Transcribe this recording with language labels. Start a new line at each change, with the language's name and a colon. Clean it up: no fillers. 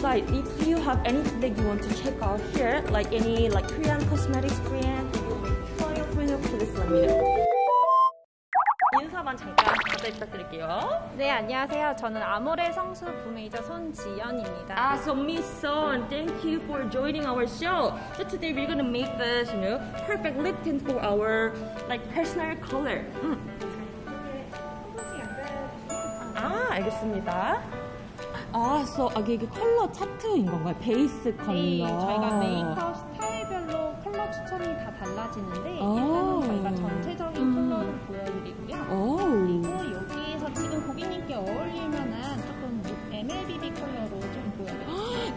English: If you have anything that you want to check out here, like any like Korean cosmetics brand, try your product, please let me know.
Korean: 인사만 잠깐 부탁드릴게요. 네, 안녕하세요. 저는 아모레 성수 구매이자 손지연입니다.
English: Ah, so Miss Son, thank you for joining our show. So today we're gonna make this, you know, perfect lip tint for our like personal color.
Korean: 알겠습니다. 아, so 이게 컬러 차트인 건가요? 베이스 컬러. 네, 저희가 메이크업 스타일별로 컬러 추천이 다 달라지는데 일단은 저희가 전체적인 컬러를 보여드리고요. 오. 그리고 여기에서 지금 고객님께 어울리면은 조금 MLBB 컬러로 좀 보여드릴게요.